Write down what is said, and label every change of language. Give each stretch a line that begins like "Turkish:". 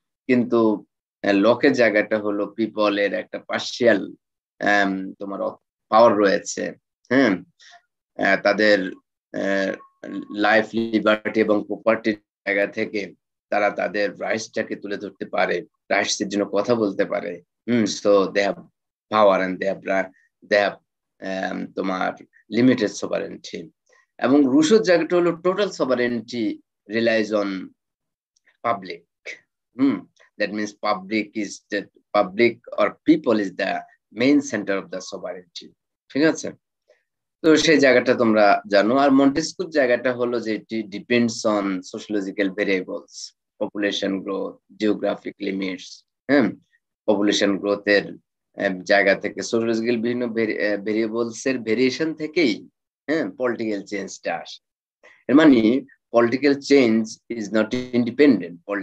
Bangla: কিন্তু লকের জায়গাটা হলো পিপল এর একটা পার্শিয়াল তোমার পাওয়ার রয়েছে, হ্যাঁ, তাদের লাইফ, লিবার্টি এবং প্রপার্টির জায়গা থেকে তারা তাদের রাইটসটাকে তুলে ধরতে পারে, রাইটসের জন্য কথা বলতে পারে।
English: so they have power and they have
Bangla: তোমার
English: Limited sovereignty.
Bangla: এবং রুশোর জায়গাটা হলো
English: Total sovereignty relies on public, That means public is the public or people is the main center of the sovereignty.
Bangla: ঠিক আছে? তো সেই জায়গাটা তোমরা জানো আর মন্টেসকুর জায়গাটা হলো যে
English: it depends on sociological variables population growth geographic limits
Bangla: হ্যাঁ পপুলেশন গ্রোথের জায়গা থেকে সোশিওলজিক্যাল বিভিন্ন ভেরিয়েবলস এর ভেরিয়েশন থেকেই হ্যাঁ পলিটিক্যাল চেঞ্জটা আসে এর মানে
English: political change is not independent